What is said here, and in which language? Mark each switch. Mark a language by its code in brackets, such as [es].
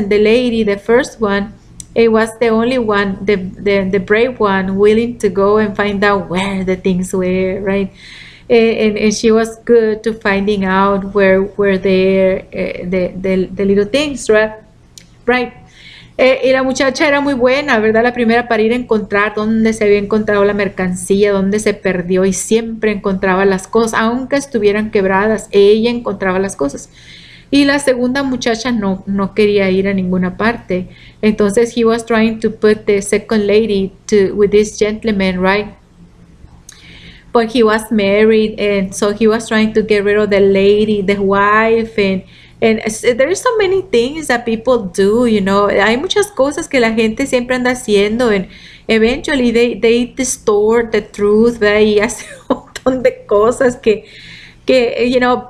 [en] And the lady, the first one, it was the only one, the brave one, willing to go and find out where the things were, right? And she was good to finding out where were the little things, right? [es] Right. Y la muchacha era muy buena, ¿verdad? La primera para ir a encontrar dónde se había encontrado la mercancía, dónde se perdió, y siempre encontraba las cosas, aunque estuvieran quebradas, ella encontraba las cosas. Y la segunda muchacha no quería ir a ninguna parte. [en] Entonces, he was trying to put the second lady with this gentleman, right? But he was married, and so he was trying to get rid of the lady, the wife, and there are so many things that people do, you know. [es] Hay muchas cosas que la gente siempre anda haciendo, [en] and eventually they distort the truth, [es] ¿verdad? Y hace un montón de cosas que [en] you know.